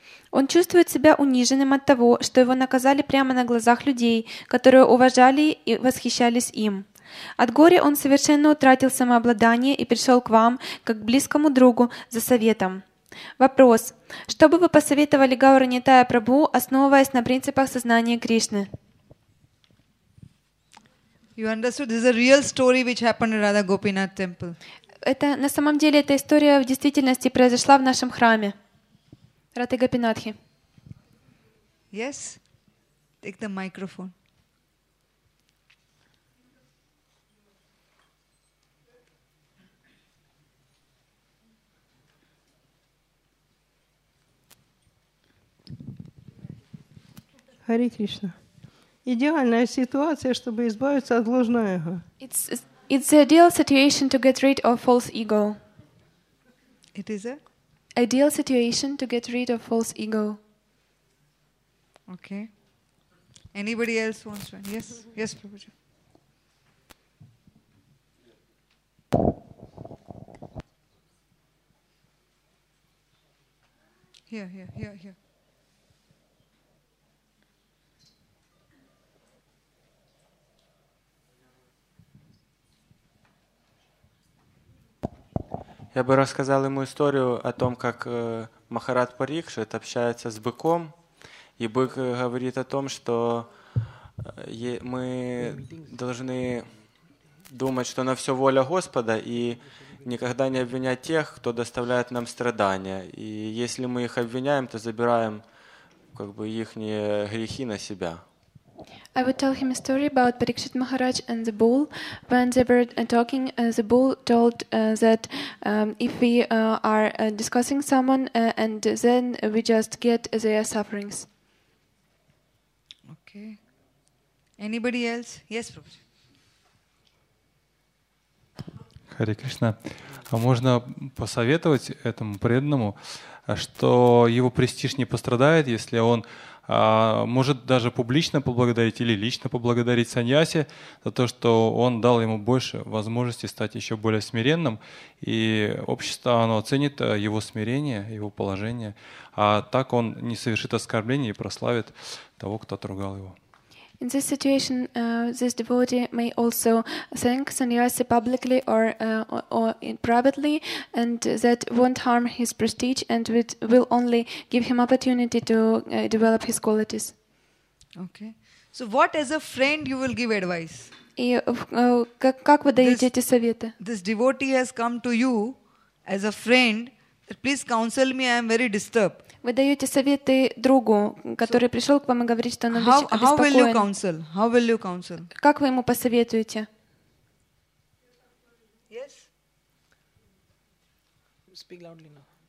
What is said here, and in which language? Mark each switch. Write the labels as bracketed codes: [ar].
[ru] Он чувствует себя униженным от того, что его наказали прямо на глазах людей, которые уважали и восхищались им. От горя он совершенно утратил самообладание и пришел к вам, как к близкому другу, за советом. Вопрос. Что бы вы посоветовали Гауранитая Прабху, основываясь на принципах сознания Кришны? [en] You understood? This is a real story which happened in Radha Gopinath temple. [ru] Это на самом деле эта история в действительности произошла в нашем храме. Радха Гопинатхи. [en] Yes. Take the microphone. Hare Krishna. [ru] Идеальная ситуация, чтобы избавиться от ложного эго. [en] It's the ideal situation to get rid of false ego. It is a ideal situation to get rid of false ego. Okay. Anybody else wants to? Yes. Yes, Prabhuji. Here. [ru] Я бы рассказал ему историю о том, как Махарад Парикшит общается с быком, и бык говорит о том, что мы должны думать, что на все воля Господа, и никогда не обвинять тех, кто доставляет нам страдания. И если мы их обвиняем, то забираем как бы их грехи на себя. [en] I would tell him a story about Parikshit Maharaj and the bull. When they were talking, the bull told that if we are discussing someone, and then we just get their sufferings. Okay. Anybody else? Yes, Prabhuji. Hare Krishna. [ru] А можно посоветовать этому преданному, что его престиж не пострадает, если он может даже публично поблагодарить или лично поблагодарить саньяси за то, что он дал ему больше возможности стать еще более смиренным, и общество оно оценит его смирение, его положение, а так он не совершит оскорбления и прославит того, кто отругал его. [en] In this situation, this devotee may also thank sannyasi publicly or privately, and that won't harm his prestige and will only give him opportunity to develop his qualities. Okay. So what as a friend you will give advice? [ru] И как вы даете эти советы? [en] This devotee has come to you as a friend. Please counsel me. I am very disturbed. [ru] Вы даете советы другу, который so, пришел к вам и говорит, что он обеспокоен. [en] How will you counsel? How will you counsel? [ru] Как вы ему посоветуете? [en] Yes. Speak loudly now.